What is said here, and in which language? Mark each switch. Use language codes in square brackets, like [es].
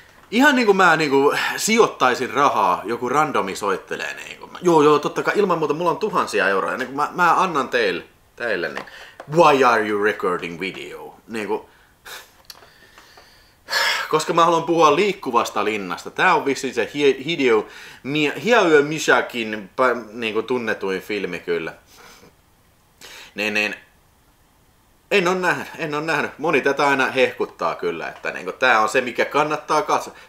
[fi] Ihan niinku mä sijoittaisin rahaa, joku randomi soittelee niinku. Joo, tottakai, ilman muuta mulla on 1000 euroa, niinku mä annan teille, niin. [en] Why are you recording video? [fi] Niinku. Koska mä haluan puhua liikkuvasta linnasta. Tää on vissiin se Hideo Mishakin niinku tunnetuin filmi kyllä. En oo nähnyt. Moni tätä aina hehkuttaa kyllä, että niinku tää on se, mikä kannattaa katsoa.